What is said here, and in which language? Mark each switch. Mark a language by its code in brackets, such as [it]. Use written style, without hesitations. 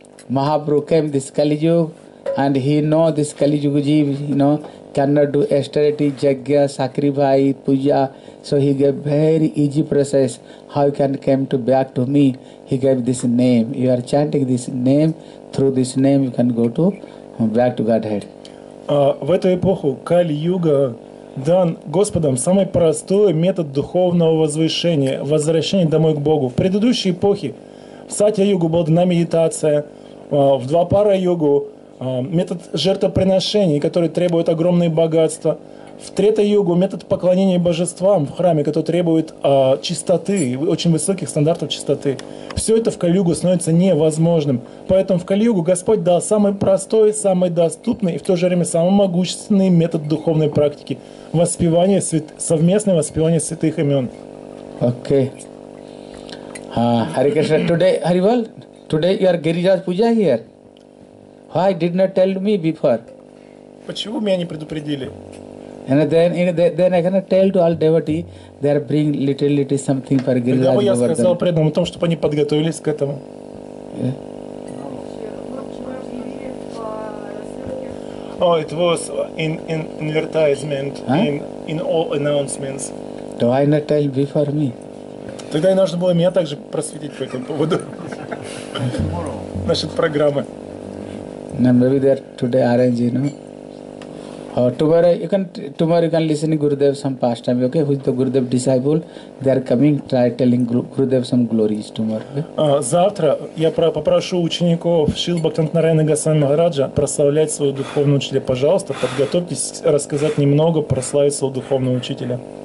[en] Mahaprabhu came this Kali Yuga and he know this Kali Yuga Jeev, you know, cannot do austerity, jagya, sacrifice, puja. So he gave very easy process. How you can come to back to me? He gave this name. You are chanting this name. Through this name you can go to back to Godhead. [ru] В эту эпоху Кали-Юга дан Господом самый простой метод духовного возвышения, возвращения домой к Богу. В предыдущей эпохе в Сатья-Югу была дана медитация, в Двапара-Югу метод жертвоприношений, который требует огромные богатства, в Трета-Югу метод поклонения божествам в храме, который требует чистоты, очень высоких стандартов чистоты. Все это в Кали-Югу становится невозможным. Поэтому в Кали-Югу Господь дал самый простой, самый доступный и в то же время самый могущественный метод духовной практики – воспевание, совместное воспевание святых имен. Окей. [en] Hare Krishna, today, Haribol, today you are Girijaj Puja here. Why did not tell me before? [ru] Почему меня не предупредили? [en] And then, then I cannot tell to all devotee, they are bring little, little something for Girijaj Govardhan. [ru] Тогда бы я сказал преданным о том, чтобы они подготовились к этому. [en] Yeah. Oh, it was in advertisement, huh? in all announcements. Do I not tell before me? [ru] Тогда и нужно было меня также просветить по этому поводу. Насчет программы. [en] Now maybe they are today arranging, you know? Tomorrow you can listen to Gurudev some past time, okay? Who is the Gurudev disciple? They are coming, try telling Gurudev some glories tomorrow, okay? [ru] Завтра я попрошу учеников Шрилы Бхактивинодана Госвами Махараджа прославлять своего духовного учителя. Пожалуйста, подготовьтесь рассказать немного, прославить своего духовного учителя.